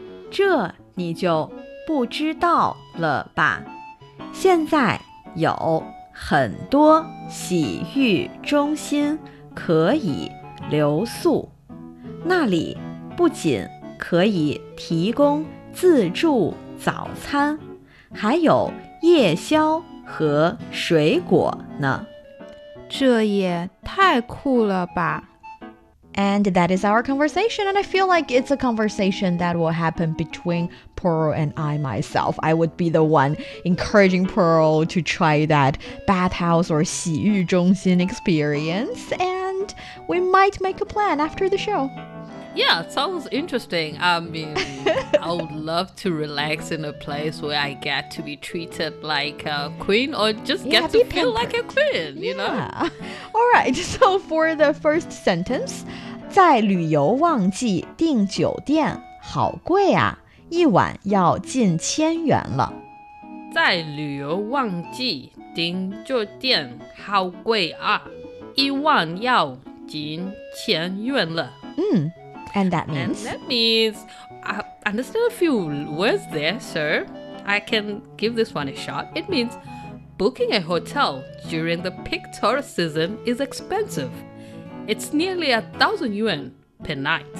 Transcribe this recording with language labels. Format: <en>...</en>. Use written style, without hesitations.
<zh>这你就不知道了吧, 现在有很多洗浴中心可以留宿, 那里不仅可以提供自助早餐, 还有夜宵和水果呢, 这也太酷了吧。</zh> <en>And that is our conversation, and I feel like it's a conversation that will happen between Pearl and I myself. I would be the one encouraging Pearl to try that bathhouse or 洗浴中心 experience, and we might make a plan after the show. Yeah, it sounds interesting. I mean, I would love to relax in a place where I get to be treated like a queen, or just get to feel like a queen, you know? All right, so for the first sentence,</en> <zh>在旅游旺季订酒店好贵啊, 一晚要近千元了。在旅游旺季订酒店好贵啊, yīwǎn yào jìn qiān yuán le.</zh> <en>Mm, and that means? And that means, I understand a few words there, sir. I can give this one a shot. It means booking a hotel during the peak tourist season is expensive. It's nearly 1,000 yuan per night.</en>